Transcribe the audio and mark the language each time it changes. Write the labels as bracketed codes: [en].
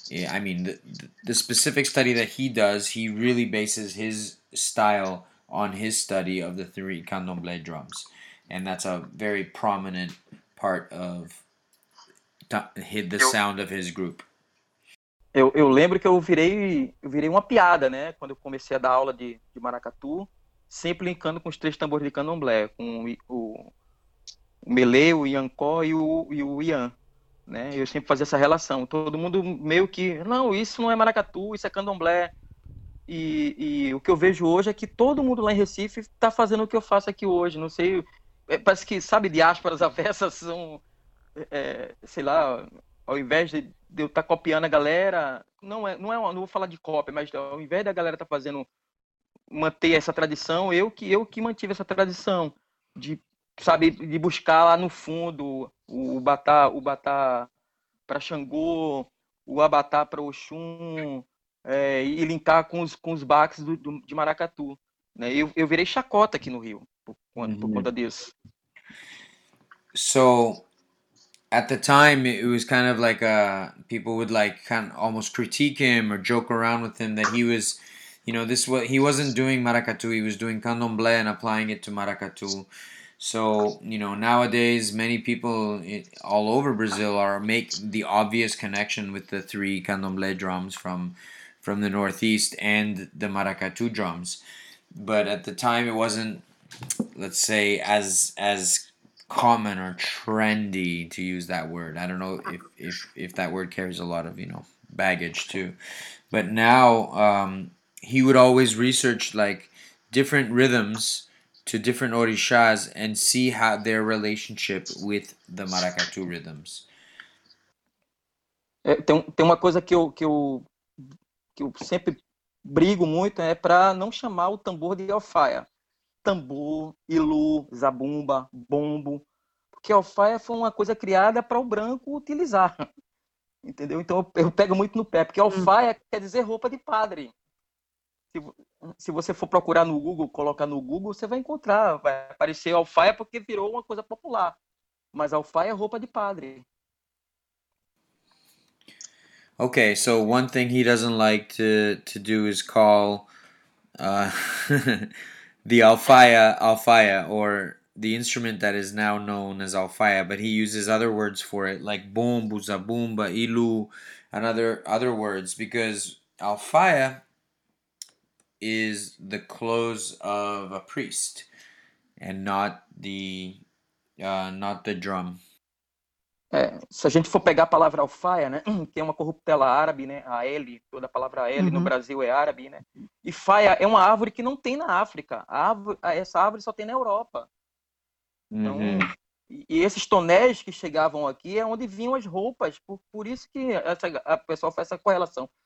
[en] I mean, the specific study that he does, he really bases his style on his study of the three candomblé drums. And that's a very prominent part of the sound of his group. [pt] Eu lembro que eu virei uma piada, né? Quando eu comecei a dar aula de maracatu, sempre linkando com os três tambores de candomblé, com o Melê, o Iancó e o Ian, né? Eu sempre fazia essa relação. Todo mundo meio que, não, isso não é maracatu, isso é candomblé. E o que eu vejo hoje é que todo mundo lá em Recife está fazendo o que eu faço aqui hoje. Não sei, parece que, sabe, diásporas avessas são, sei lá, ao invés de eu estar copiando a galera, não vou falar de cópia, mas ao invés da galera estar fazendo, manter essa tradição, eu que mantive essa tradição de, sabe, de buscar lá no fundo o batá para Xangô, o abatá para Oxum, e linkar com os baques de maracatu, né? Eu virei chacota aqui no Rio por conta disso. [en] So at the time it was kind of like people would like kind of almost critique him or joke around with him that he was, you know, this was he wasn't doing maracatu, he was doing candomblé and applying it to maracatu. So, you know, nowadays many people all over Brazil are make the obvious connection with the three candomblé drums from the Northeast and the maracatu drums. But at the time it wasn't, let's say, as common or trendy to use that word. I don't know if that word carries a lot of, you know, baggage too. But now he would always research like different rhythms to different orixás and see how their relationship with the maracatu rhythms. [pt] Tem uma coisa que eu sempre brigo muito, é para não chamar o tambor de alfaia. Tambor, ilu, zabumba, bombo. Porque alfaia foi uma coisa criada para o branco utilizar. Entendeu? Então eu pego muito no pé, porque alfaia quer dizer roupa de padre. Se você for procurar no Google, colocar no Google, você vai encontrar. Vai aparecer alfaia porque virou uma coisa popular. Mas alfaia é roupa de padre. [en] Okay, so one thing he doesn't like to do is call the alfaia, or the instrument that is now known as alfaia, but he uses other words for it, like bombo, zabumba, ilu, and other words, because alfaia is the clothes of a priest and not the drum. [pt] Se a gente for pegar a palavra alfaia, né, que é uma corruptela árabe, né, a L, toda a palavra L no Brasil é árabe, né, e faia é uma árvore que não tem na África. Essa árvore só tem na Europa. Então, E esses tonéis que chegavam aqui é onde vinham as roupas, por isso que a pessoa faz essa correlação.